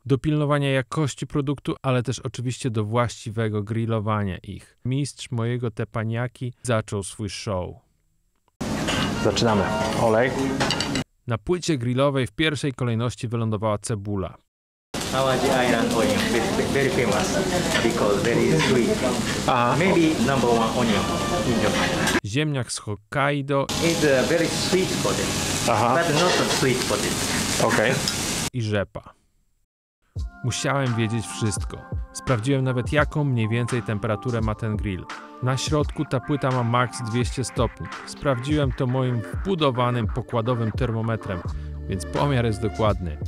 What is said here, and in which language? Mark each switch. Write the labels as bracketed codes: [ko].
[pl] Do pilnowania jakości produktu, ale też oczywiście do właściwego grillowania ich. Mistrz mojego teppanyaki zaczął swój show. Zaczynamy. Olej. Na płycie grillowej w pierwszej kolejności wylądowała cebula. [en] How are the iron onion? Very famous because very sweet. Maybe number one onion in Japan. [pl] Ziemniak z Hokkaido. [en] It's a very sweet for this. But not a sweet for this. Okay. [pl] I rzepa. Musiałem wiedzieć wszystko. Sprawdziłem nawet jaką mniej więcej temperaturę ma ten grill. Na środku ta płyta ma max 200 stopni. Sprawdziłem to moim wbudowanym pokładowym termometrem, więc pomiar jest dokładny.